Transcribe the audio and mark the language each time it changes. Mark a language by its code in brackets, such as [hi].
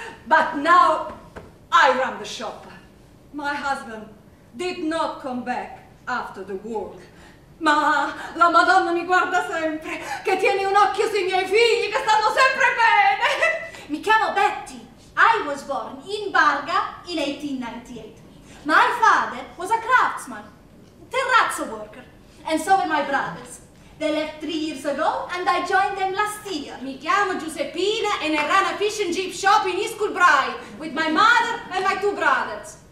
[en] But now, I run the shop. My husband did not come back after the war. [it] Ma la Madonna mi guarda sempre, che tiene un occhio sui miei figli, che stanno sempre bene. Mi chiamo Betty. [en] I was born in Barga in 1898. My father was a craftsman, terrazzo worker, and so were my brothers. They left 3 years ago and I joined them last year. [it] Mi chiamo Giuseppina [en] and I run a fish and chip shop in East Kulbrae with my mother and my 2 brothers.